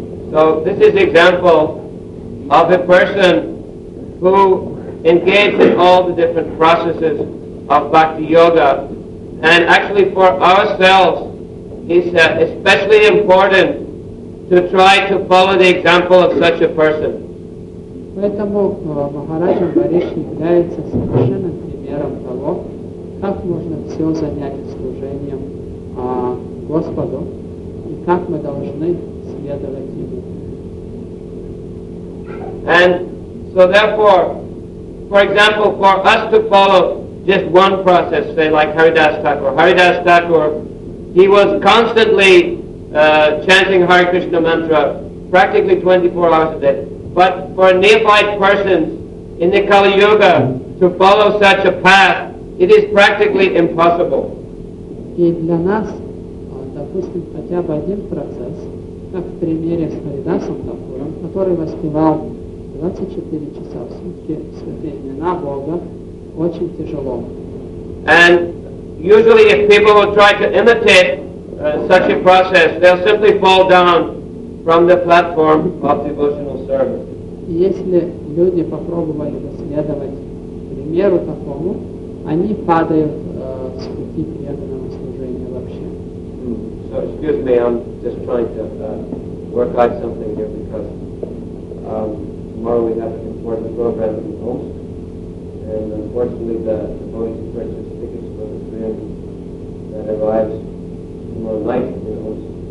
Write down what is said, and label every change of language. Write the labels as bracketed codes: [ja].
[en] So this is example of a person who engaged in all the different processes of bhakti yoga, and actually for ourselves it's especially important to try to follow the example of such a person. [ru] Поэтому Махарадж Амбариш является совершенным примером того, как можно все занять служением Господу и как мы должны следовать Ему. [en] And so therefore, for example, for us to follow just one process, say like Haridas Thakur. Haridas Thakur, he was constantly chanting Hare Krishna mantra practically 24 hours a day. But for neophyte persons in the Kali Yuga to follow such a path, it is practically impossible. [ru] И для нас, допустим, хотя бы один процесс, как в примере с Харидасом Такуром, который воспевал 24 часа в сутки святые имена Бога, очень тяжело. [en] And usually if people will try to imitate such a process, they'll simply fall down from the platform of devotional service. [ru] Если люди попробовали бы следовать примеру такому, они падают с пути преданного служения вообще. [en] So excuse me, I'm just trying to work out something here because tomorrow we have an important program in the homes. And unfortunately the devotees purchase tickets for the trip that arrives tomorrow night in the homes.